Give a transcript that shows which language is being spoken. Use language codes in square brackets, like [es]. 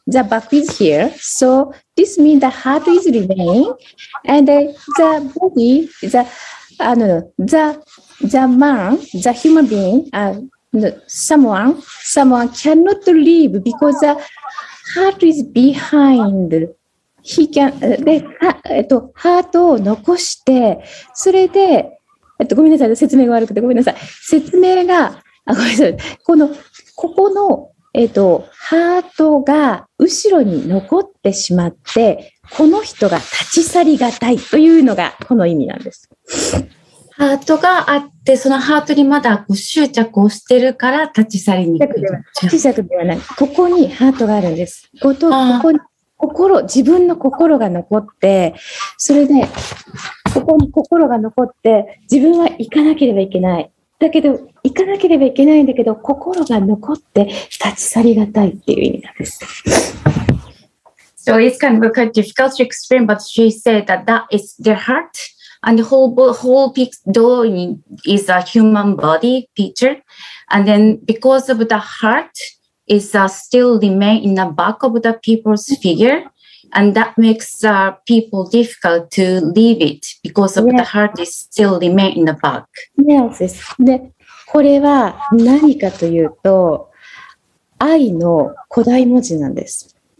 [en] The back is here. So this means the heart is remaining, and the body is a I don't know the man, the human being, someone cannot leave because heart is behind. He can, [ja] で、ハートを残して、それで、ごめんなさい、説明が悪くて、ごめんなさい。説明が、あ、ごめんなさい。この、ここの、ハートが後ろに残ってしまって、この人が立ち去りがたいというのが、この意味なんです。ハートがあって、そのハートにまだ執着をしてるから立ち去りにくい。執着ではない。ここにハートがあるんです。ここに心、自分の心が残って、それで、ここに心が残って、自分は行かなければいけない。だけど、行かなければいけないんだけど、心が残って立ち去りがたいっていう意味なんです。 [en] So it's kind of difficult to explain, but she said that that is their heart. And the whole drawing is a human body picture. And then because of the heart is still remain in the back of the people's figure. And that makes people difficult to leave it because of、yeah. the heart is still remain in the back. Yes, yes. [ja] で、これは何かというと、愛の古代文字なんです。